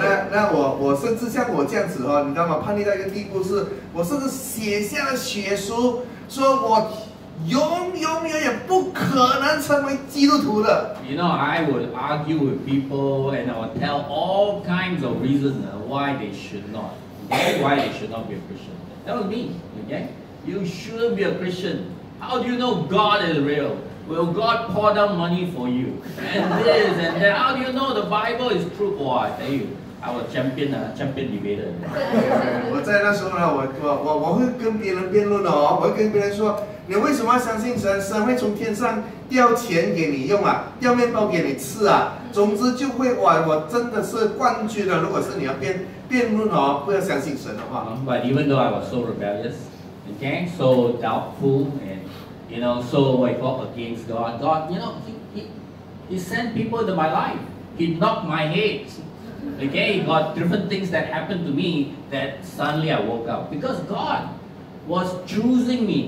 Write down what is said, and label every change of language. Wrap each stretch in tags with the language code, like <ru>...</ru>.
<zh>那我甚至像我这样子哦，你知道吗？叛逆到一个地步是，我甚至写下了血书，说我永远也不可能成为基督徒的。</zh> <en>You know, I would argue with people, and I would tell all kinds of reasons why they should not, okay? Why they should not be a Christian. That was me, okay? You shouldn't be a Christian. How do you know God is real? will God pour down money for you? And this and that. How do you know the Bible is true? Oh, I tell you, I was champion, champion debater.</en> <zh>我在那时候呢，我会跟别人辩论的哦，我会跟别人说。你为什么相信神？神会从天上掉钱给你用啊，掉面包给你吃啊？总之就会哇，我真的是冠军了。如果是你要辩论哦，不要相信神的话。</zh> <en>But even though I was so rebellious, okay, so doubtful, and you know, so I fought against God. God, you know, he sent people into my life. He knocked my head. Okay, got different things that happened to me that suddenly I woke up because God was choosing me.</en>